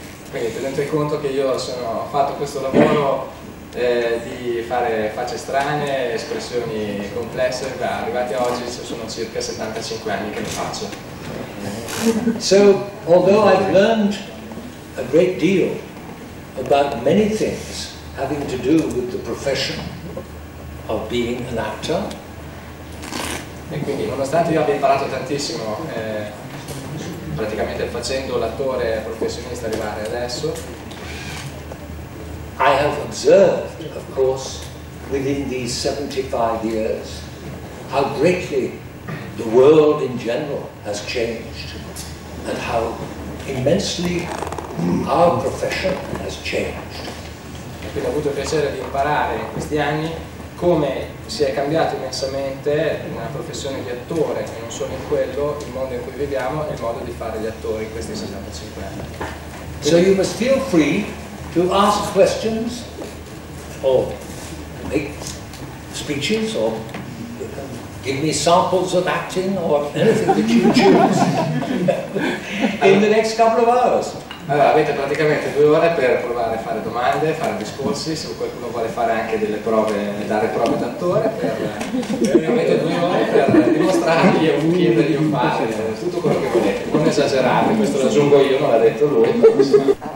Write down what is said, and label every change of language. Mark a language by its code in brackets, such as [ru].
[it] Quindi tenete conto che io sono fatto questo lavoro di fare facce strane, espressioni complesse, arrivati a oggi ci sono circa 75 anni che lo faccio. [en] So, although I've learned a great deal about many things having to do with the profession of being an actor, [it] e quindi nonostante io abbia imparato tantissimo praticamente facendo l'attore professionista arrivare adesso, [en] I have observed of course within these 75 years how greatly the world in general has changed and how immensely our profession has changed. [it] E quindi ho avuto il piacere di imparare in questi anni come si è cambiato immensamente nella professione di attore, e non solo in quello, il mondo in cui viviamo e il modo di fare gli attori in questi 65 anni. [en] So you must feel free to ask questions or make speeches or give me samples of acting or anything that you choose in the next couple of hours. [it] Allora, avete praticamente 2 ore per provare a fare domande, fare discorsi, se qualcuno vuole fare anche delle prove, dare prove d'attore, avete 2 ore per dimostrargli o chiedergli o fare tutto quello che volete. Non esagerate, questo lo aggiungo io, non l'ha detto lui.